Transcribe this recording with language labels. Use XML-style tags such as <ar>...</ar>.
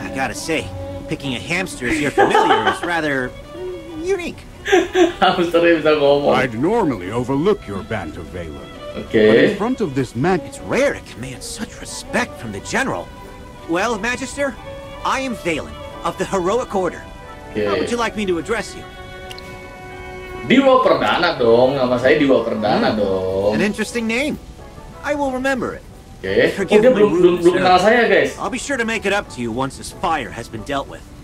<en>I gotta say, picking a hamster if you're familiar is rather unique.</en> <id>Hamster ya bisa ngomong.</id> <en>I'd normally overlook your band of Valor. Okay. But in front of this man, it's rare to command such respect from the General. Well, Magister, I am Valen of the Heroic Order. Okay. How would you like me to address you?</en> <id>Dewa Perdana dong, nama saya Dewa Perdana dong.</id> <en>An interesting name. I will remember it.</en> <id>Okay. Oh, dia belum kenal saya, guys.</id> <en>I'll be sure to make it up to you once this fire has been dealt with.</en>